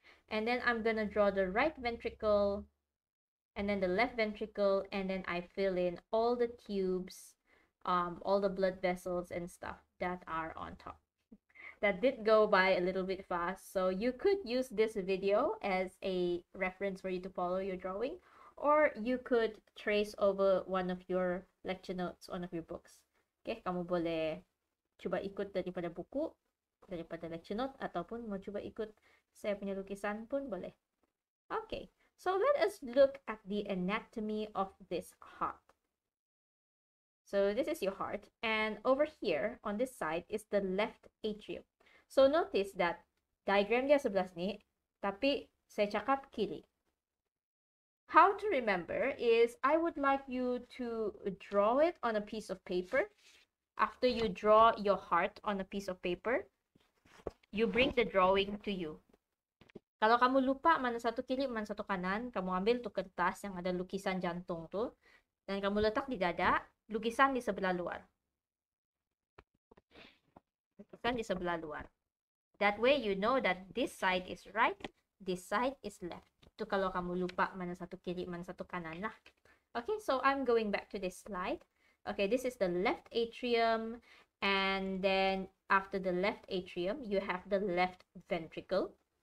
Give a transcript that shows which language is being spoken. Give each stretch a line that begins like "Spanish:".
English: And then I'm going to draw the right ventricle, and then the left ventricle, and then I fill in all the tubes, all the blood vessels and stuff that are on top. That did go by a little bit fast, so you could use this video as a reference for you to follow your drawing, or you could trace over one of your lecture notes, one of your books.
Malay: Okay, kamu boleh coba ikut daripada buku, daripada lecture note, ataupun mau coba ikut saya punya lukisan pun boleh.
English: Okay, so let us look at the anatomy of this heart. So this is your heart, and over here on this side is the left atrium. So notice that diagram
Malay: dia sebelah sini, tapi saya cakap kiri.
English: How to remember is I would like you to draw it on a piece of paper. After you draw your heart on a piece of paper, you bring the drawing to you.
Malay: Kalau kamu lupa mana satu kiri, mana satu kanan, kamu ambil tu kertas yang ada lukisan jantung tu, dan kamu letak di dada, lukisan di sebelah luar. Lukisan di sebelah luar.
English: That way you know that this side is right, this side is left.
Malay: Tu kalau kamu lupa mana satu kiri, mana satu kanan lah. Okay,
English: so I'm going back to this slide. Okay, this is the left atrium, and then after the left atrium, you have the left ventricle.